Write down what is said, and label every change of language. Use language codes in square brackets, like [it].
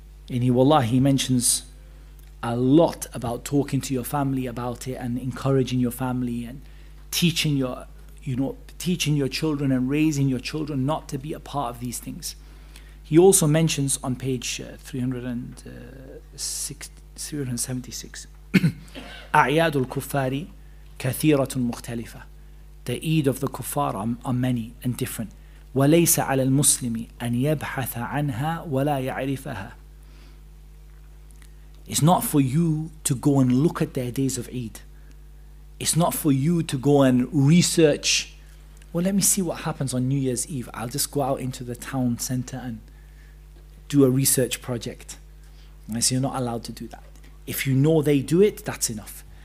[en] And he mentions a lot about talking to your family about it, and encouraging your family, and teaching your children and raising your children not to be a part of these things. He also mentions on page 376, [ar] أعياد الكفار كثيرة مختلفة. [en] The Eid of the kuffar are many and different. [ar] وليس على المسلم أن يبحث عنها ولا يعرفها. [en] It's not for you to go and look at their days of Eid. It's not for you to go and research. Well, let me see what happens on New Year's Eve. I'll just go out into the town center and do a research project. And I say, you're not allowed to do that. If you know they do it, that's enough.